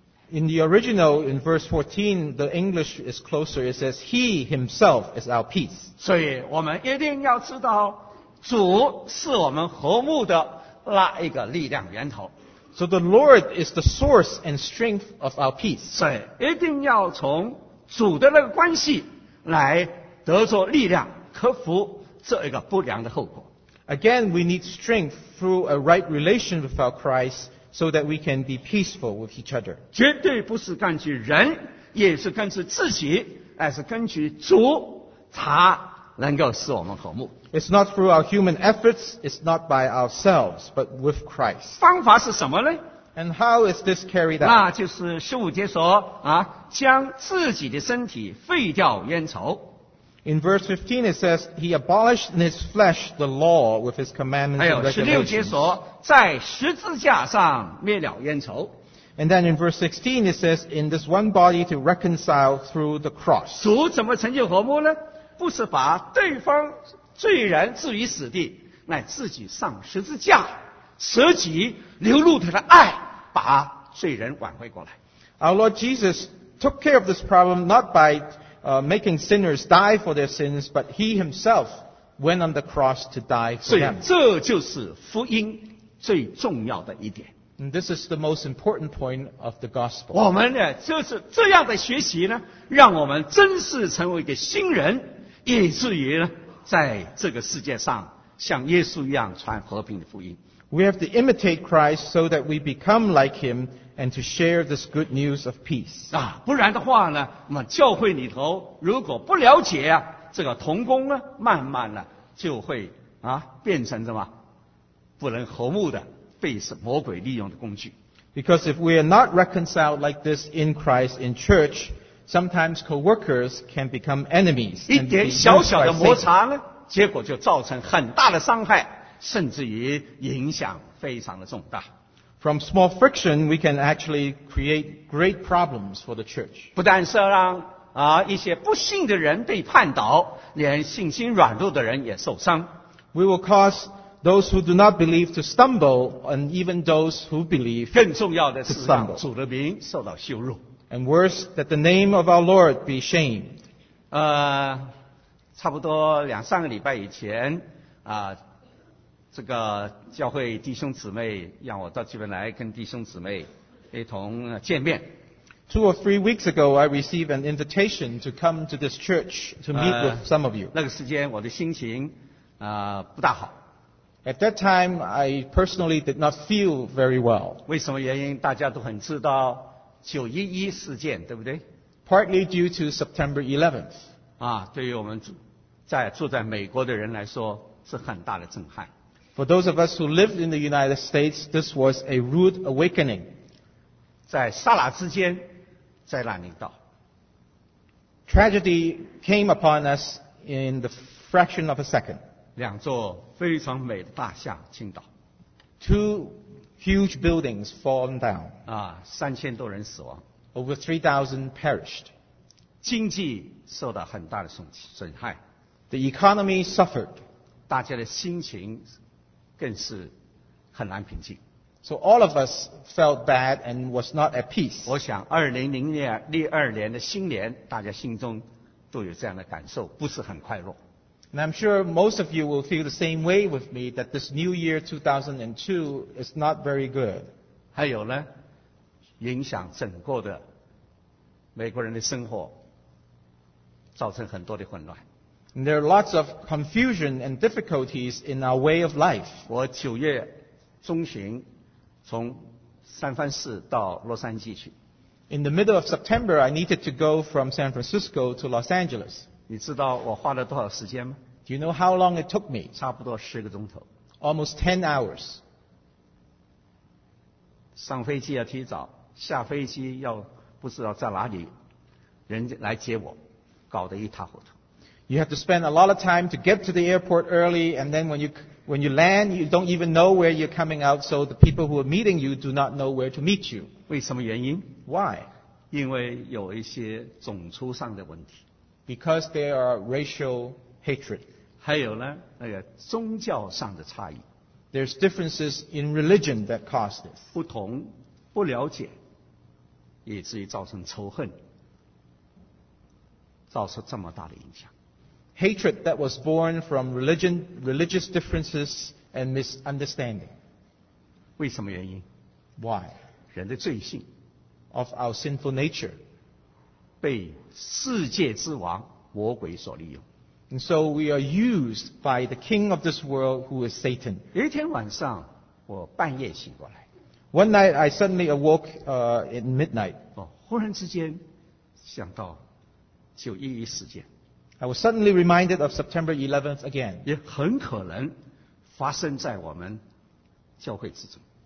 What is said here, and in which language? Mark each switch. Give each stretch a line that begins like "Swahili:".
English: In the original in verse 14 the English is closer, it says he himself is our peace.
Chinese: 所以我们一定要知道主是我们和睦的那一个力量源头。
English: So the Lord is the source and strength of our peace.
Chinese: 所以一定要从主的那个关系来得着力量，克服这一个不良的后果。
English: Again, we need strength through a right relation with our Christ so that we can be peaceful with each other.
Chinese: 绝对不是根据人，也是根据自己，而是根据主，他能够使我们和睦。
English: It's not through our human efforts, it's not by ourselves, but with Christ.
Chinese: 方法是什么呢?
English: And how is this carried out?
Chinese: 那就是十五节说啊，将自己的身体废掉冤仇。
English: In verse 15 it says, he abolished in his flesh the law with his commandments and regulations.
Chinese: 还有十六节说，在十字架上灭了冤仇。
English: And then in verse 16 it says, in this one body to reconcile through the cross.
Chinese: 主怎么成就和睦呢? 不是把对方罪人置于死地，乃自己上十字架，舍己流露他的爱，把罪人挽回过来。
English: Our Lord Jesus took care of this problem not by making sinners die for their sins, but He Himself went on the cross to die for them.
Chinese: 所以这就是福音最重要的一点。
English: And this is the most important point of the gospel.
Chinese: 我们呢，就是这样的学习呢，让我们真是成为一个新人，以至于呢。在这个世界上像耶稣一样传和平的福音。
English: We have to imitate Christ so that we become like him and to share this good news of peace.
Chinese: 啊，不然的话呢，那么教会里头如果不了解啊，这个同工呢，慢慢呢就会啊变成什么不能和睦的，被魔鬼利用的工具。
English: Because if we are not reconciled like this in Christ in church,Sometimes co-workers can become enemies.
Chinese: 一点小小的摩擦呢，结果就造成很大的伤害，甚至于影响非常的重大。
English: From small friction, we can actually create great problems for the church.
Chinese: 不但是让啊一些不信的人被绊倒，连信心软弱的人也受伤。
English: We will cause those who do not believe to stumble, and even those who believe to stumble.
Chinese: 更重要的是让主的名受到羞辱。
English: And worse, that the name of our Lord be shamed.
Chinese: 差不多两三个礼拜以前，这个教会弟兄姊妹让我到这边来跟弟兄姊妹一同见面。
English: Two or three weeks ago, I received an invitation to come to this church to meet with some of you.
Chinese: 那个时间我的心情，不大好。
English: At that time, I personally did not feel very well.
Chinese: 为什么原因？大家都很知道。911事件对不对
English: ?Partly due to September 11th.
Chinese: 啊对于我们住在美国的人来说是很大的震撼。
English: For those of us who lived in the United States, this was a rude awakening.
Chinese: 在刹那之间，灾难临到。
English: Tragedy came upon us in the fraction of a second.
Chinese: 两座非常美的大厦倾倒。
English: Two huge buildings fallen down.
Chinese: 啊，三千多人死亡。
English: Over 3,000 perished.
Chinese: 经济受到很大的损害。
English: The economy suffered.
Chinese: 大家的心情更是很难平静。
English: So all of us felt bad and was not at peace.
Chinese: 我想2002年的新年，大家心中都有这样的感受，不是很快乐。
English: And I'm sure most of you will feel the same way with me that this new year 2002 is not very good.
Chinese: 还有呢，影响整个的美国人的生活，造成很多的混乱。
English: And there are lots of confusion and difficulties in our way of life.
Chinese: 我九月中旬从三藩市到洛杉矶去。
English: In the middle of September, I needed to go from San Francisco to Los Angeles.
Chinese: 你知道我花了多少时间吗？
English: Do you know how long it took me?
Chinese: 差不多十个钟头。
English: Almost 10 hours.
Chinese: 上飞机要提早，下飞机要不知道在哪里，人来接我，搞得一塌糊涂。
English: You have to spend a lot of time to get to the airport early, and then when you land, you don't even know where you're coming out, so the people who are meeting you do not know where to meet you.
Chinese: 为什么原因？
English: Why?
Chinese: 因为有一些种族上的问题。
English: Because there are racial hatred.
Chinese: 还有呢，那个宗教上的差异。
English: There's differences in religion that cause this.
Chinese: 不同，不了解，以至于造成仇恨，造成这么大的影响。
English: Hatred that was born from religion, religious differences and misunderstanding.
Chinese: 为什么原因？
English: Why?
Chinese: 人的罪性。
English: Of our sinful nature.
Chinese: 被世界之王魔鬼所利用。
English: And so we are used by the king of this world who is Satan.
Chinese: 有一天晚上我半夜醒过来。
English: One night I suddenly awoke at midnight.
Chinese: 我忽然之间想到911事件。
English: I was suddenly reminded of September 11th again.
Chinese: 也很可能发生在我们教会之中。